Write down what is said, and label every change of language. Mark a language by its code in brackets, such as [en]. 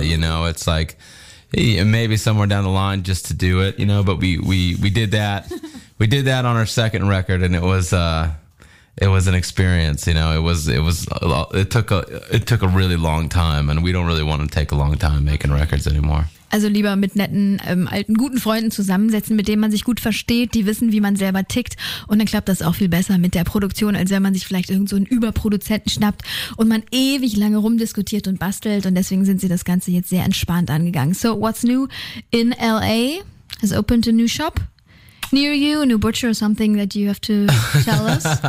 [en] You know, it's like, hey, maybe somewhere down the line just to do it, you know, but we did that. We did that on our second record and it was an experience, you know. It took a really long time and we don't really want to take a long time making records anymore. [de] Also lieber mit netten, alten, guten Freunden zusammensetzen, mit denen man sich gut versteht, die wissen, wie man selber tickt. Und dann klappt das auch viel besser mit der Produktion, als wenn man sich vielleicht irgend so einen Überproduzenten schnappt und man ewig lange rumdiskutiert und bastelt. Und deswegen sind sie das Ganze jetzt sehr entspannt angegangen. [en] So, what's new in LA? Has opened a new shop near you, a new butcher or something that you have to tell us?